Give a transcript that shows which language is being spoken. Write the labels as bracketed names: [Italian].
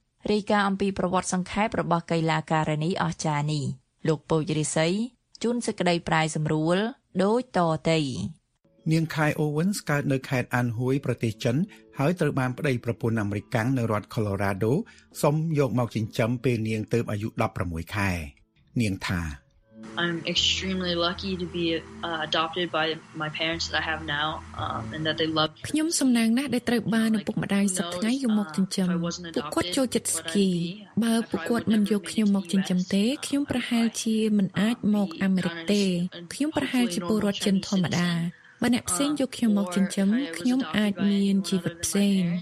[Khmer] រាយការណ៍អំពីប្រវត្តិសង្ខេបរបស់កីឡាការិនីអស្ចារ្យនេះលោកពូចរិស័យជួនសក្តីប្រាយសម្រួលដូចតទៅ នាងខៃអូវិនស្កើតនៅខេត្តអានហួយប្រទេសចិនហើយត្រូវបានប្តីប្រពន្ធអាមេរិកាំងនៅរដ្ឋខូឡូរ៉ាដូសុំយកមកចិញ្ចឹមពេលនាងទើបអាយុ16ខែនាងថា [English] I'm extremely lucky to be adopted by my parents that I have now and that they love [Khmer] ខ្ញុំសំណាងណាស់ដែលត្រូវបានឪពុកម្តាយសព្វថ្ងៃយកមកចិញ្ចឹមពួកគាត់ចូលចិត្តស្គីបើពួកគាត់មិនយកខ្ញុំមកចិញ្ចឹមទេខ្ញុំប្រហែលជាមិនអាចមកអាមេរិកទេខ្ញុំប្រហែលជាពលរដ្ឋចិនធម្មតាបានអ្នកផ្សេងយកខ្ញុំមកចិញ្ចឹមខ្ញុំអាចមានជីវិតផ្សេង